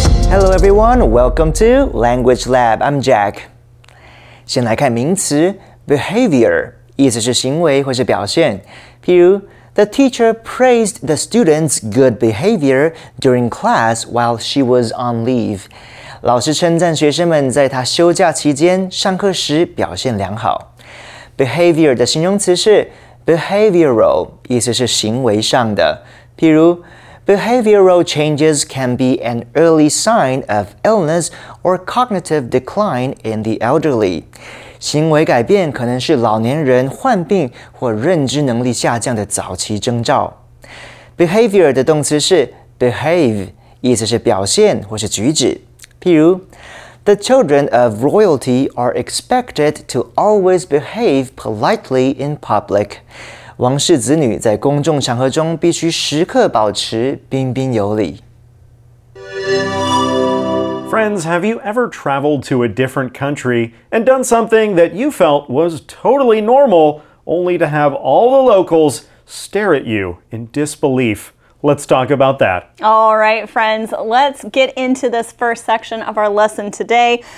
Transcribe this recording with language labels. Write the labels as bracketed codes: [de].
[en] Hello everyone, welcome to Language Lab, I'm Jack. [zh] 先来看名词 behavior, 意思是行为或是表现。 [en] 譬如 the teacher praised the student's good behavior during class while she was on leave. [zh] 老师称赞学生们在她休假期间上课时表现良好。 [en] Behavior [zh] 的形容词是 behavioral, 意思是行为上的。 [en] 譬如Behavioral changes can be an early sign of illness or cognitive decline in the elderly. [zh] 行为改变可能是老年人患病或认知能力下降的早期征兆。 [en] Behavior [zh] 的动词是 behave, 意思是表现或是举止。 [en] 譬如 The children of royalty are expected to always behave politely in public. [zh] 王室子女在公众场合中必须时刻保持彬彬有礼。 [en] Friends, have you ever traveled to a different country and done something that you felt was totally normal, only to have all the locals stare at you in disbelief? Let's talk about that. All right, friends, let's get into this first section of our lesson today.